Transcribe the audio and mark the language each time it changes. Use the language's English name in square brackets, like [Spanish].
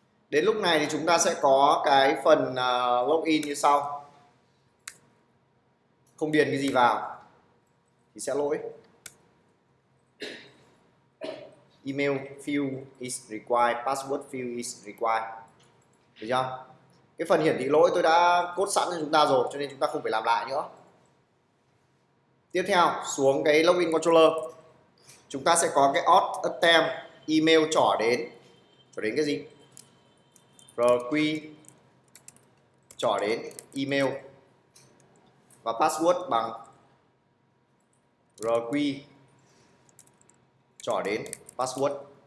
[Vietnamese] Đến lúc này thì chúng ta sẽ có cái phần login như sau. Không điền cái gì vào thì sẽ lỗi. [English] Email field is required, password field is required. [Vietnamese] Được chưa? Cái phần hiển thị lỗi tôi đã code sẵn cho chúng ta rồi, cho nên chúng ta không phải làm lại nữa. Tiếp theo xuống cái login controller, chúng ta sẽ có cái auth attempt email trỏ đến cái gì, requi trỏ đến email và password bằng requi trỏ đến password.